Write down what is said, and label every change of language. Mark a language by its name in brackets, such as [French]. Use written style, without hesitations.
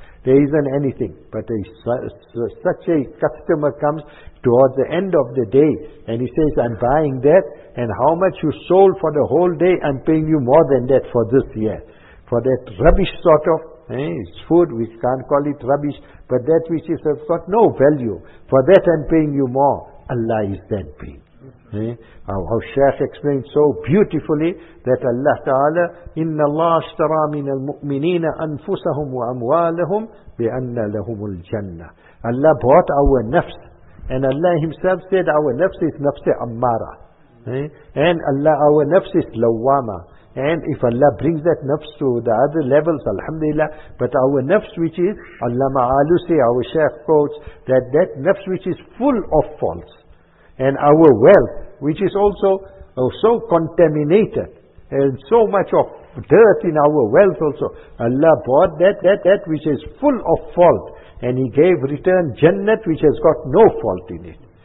[English] There isn't anything, but such a customer comes towards the end of the day and he says, I'm buying that, and how much you sold for the whole day, I'm paying you more than that for this year. For that rubbish sort of it's food, we can't call it rubbish, but that which has got no value, for that I'm paying you more. Allah is that being. How Shaykh explained so beautifully that Allah Ta'ala, [Arabic] إِنَّ اللَّهَ اشْتَرَى مِنَ الْمُؤْمِنِينَ أَنفُسَهُمْ وَأَمْوَالَهُمْ بِأَنَّ لَهُمُ الْجَنَّةِ. [English] Allah bought our nafs, and Allah Himself said our nafs is nafs ammara. And Allah, our nafs is lawwama. And if Allah brings that nafs to the other levels, alhamdulillah. But our nafs which is, Allah ma'alusi, our Shaykh quotes, that nafs which is full of faults, and our wealth, which is also so contaminated, and so much of dirt in our wealth also, Allah bought that which is full of fault, and He gave return Jannat, which has got no fault in it.